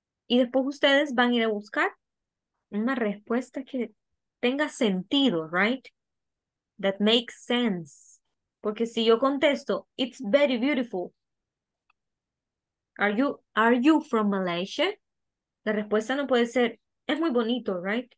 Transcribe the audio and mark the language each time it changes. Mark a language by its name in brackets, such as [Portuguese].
[Spanish] Y después ustedes van a ir a buscar una respuesta que tenga sentido, right? [English] That makes sense. [Spanish] Porque si yo contesto, [English] it's very beautiful. Are you from Malaysia? [Spanish] La respuesta no puede ser, es muy bonito, right?